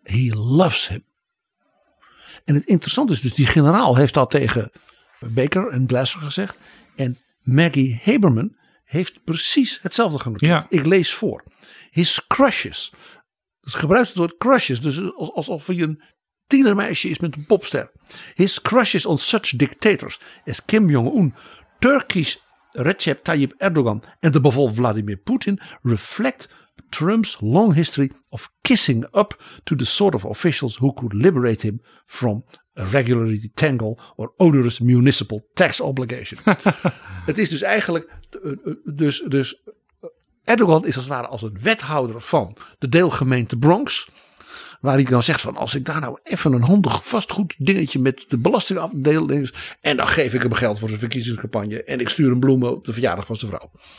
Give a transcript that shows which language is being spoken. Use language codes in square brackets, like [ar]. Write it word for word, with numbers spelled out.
[en] He loves him. [nl] En het interessante is dus, die generaal heeft dat tegen Baker en Glasser gezegd. En Maggie Haberman heeft precies hetzelfde genoteerd. Ja. Ik lees voor. [en] His crushes. [nl] Het gebruikt het woord crushes. Dus alsof hij een tienermeisje is met een popster. [en] His crushes on such dictators as Kim Jong-un, Turkish Recep Tayyip Erdogan [nl] en de bijvoorbeeld [en] Vladimir Putin reflect Trump's long history of kissing up to the sort of officials who could liberate him from regularity tangle or onerous municipal tax obligation. [nl] Het is dus eigenlijk, dus, dus Erdogan is als het ware als een wethouder van de deelgemeente Bronx. Waar hij dan zegt van als ik daar nou even een handig vastgoed dingetje met de belastingafdeling. En dan geef ik hem geld voor zijn verkiezingscampagne. En ik stuur hem bloemen op de verjaardag van zijn vrouw.